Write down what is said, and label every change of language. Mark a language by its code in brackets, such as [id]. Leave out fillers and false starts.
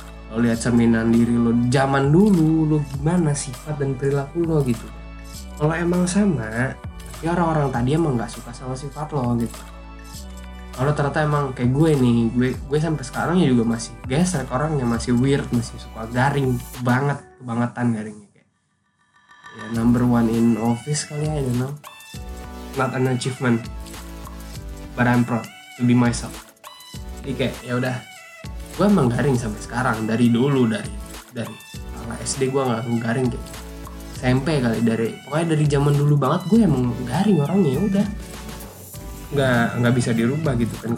[id] Lo liat cerminan diri lo zaman dulu, lo gimana sifat dan perilaku lo gitu. Kalau emang sama, ya orang-orang tadi emang gak suka sama sifat lo gitu. Kalau ternyata emang kayak gue nih, gue sampai sekarang ya juga masih geser ke orangnya, masih weird, masih suka garing banget, kebangetan garingnya. [en] Ya, number one in office [id] kali ya, [en] I don't know. Not an achievement, but I'm proud to be myself. [id] Jadi kayak ya udah, gue emang garing sampai sekarang, dari dulu, dari kala SD gue nggak garing kayak SMP kali, dari pokoknya dari zaman dulu banget gue emang garing orangnya, ya udah nggak bisa dirubah gitu kan.